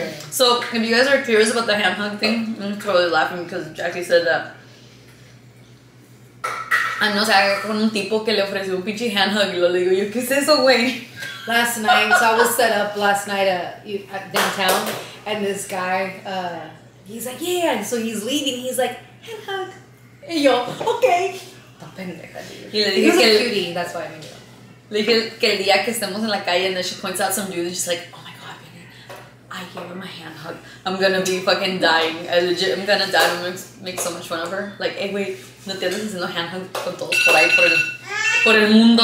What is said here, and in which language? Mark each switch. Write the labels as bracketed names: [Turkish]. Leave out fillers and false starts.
[English] So, if you guys are curious about the hand hug thing, I'm totally laughing because Jackie said that. [Spanish] Ah, no, o sea, con un tipo que le ofreció un pinche hand hug y lo le digo, yo, ¿qué es eso, güey? [English] Last night, so I was set up last night at downtown, and this guy, he's like, yeah, and so he's leaving, he's like, hand hug. [Spanish] Y yo, okay. Está pendeja, [English] dude. [Spanish] Y le dije que... [English] He's a cutie, that's why I mean, [Spanish] le dije que el día que estemos en la calle, [English] and then she points out some dude, and she's like, oh my god, baby, I gave him a hand hug. I'm gonna be fucking dying. I legit, I'm gonna die. I'm gonna make so much fun of her. Like, hey, wait. [Spanish] No te andas haciendo hand hug con todos por ahí, por el mundo.